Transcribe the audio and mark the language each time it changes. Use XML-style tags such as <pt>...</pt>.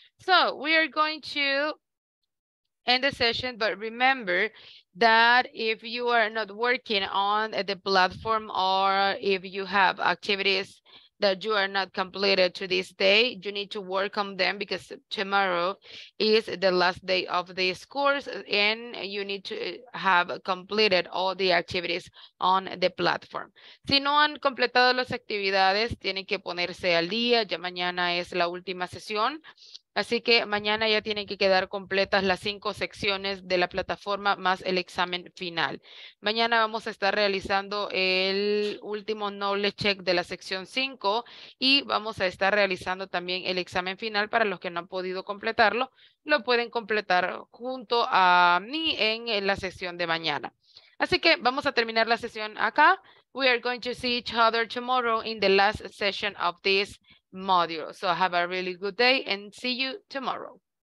<en>So we are going to end the session, but remember that if you are not working on the platform or if you have activities that you are not completed to this day, you need to work on them because tomorrow is the last day of this course and you need to have completed all the activities on the platform.</en> <es>Si no han completado las actividades, tienen que ponerse al día. Ya mañana es la última sesión. Así que mañana ya tienen que quedar completas las 5 secciones de la plataforma más el examen final. Mañana vamos a estar realizando el último knowledge check de la sección 5 y vamos a estar realizando también el examen final para los que no han podido completarlo. Lo pueden completar junto a mí en la sesión de mañana. Así que vamos a terminar la sesión acá.</es> <en>We are going to see each other tomorrow in the last session of this module. So have a really good day and see you tomorrow.</en>